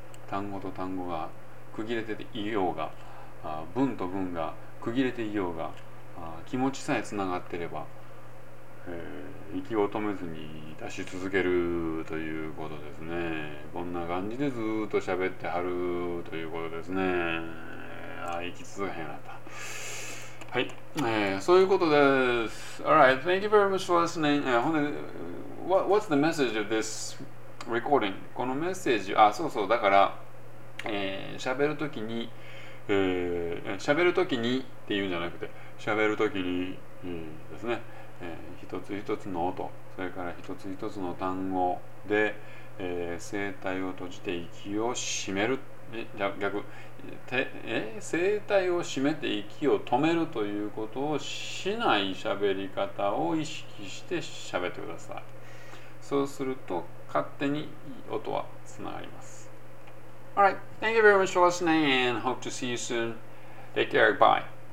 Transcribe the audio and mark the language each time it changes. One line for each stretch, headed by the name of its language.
Japanese: 単語と単語が区切れていようが、文と文が区切れていようが、気持ちさえつながっていれば、息を止めずに出し続けるということですね。こんな感じでずっと喋ってはるということですね。息続けへんかった。はい、そういうことです。
English: Alright, thank you very much for listening. What's the message of this recording?
Japanese: このメッセージ、あ、そうそう、だから喋るときに、喋るときにっていうんじゃなくて、喋るときに、ですね、一つ一つの音、それから一つ一つの単語で、声帯を閉じて息を締める、じゃ逆声帯を締めて息を止めるということをしない喋り方を意識して喋ってください。そうすると勝手に音はつながります。
English: Alright, thank you very much for listening and hope to see you soon. Take care, bye.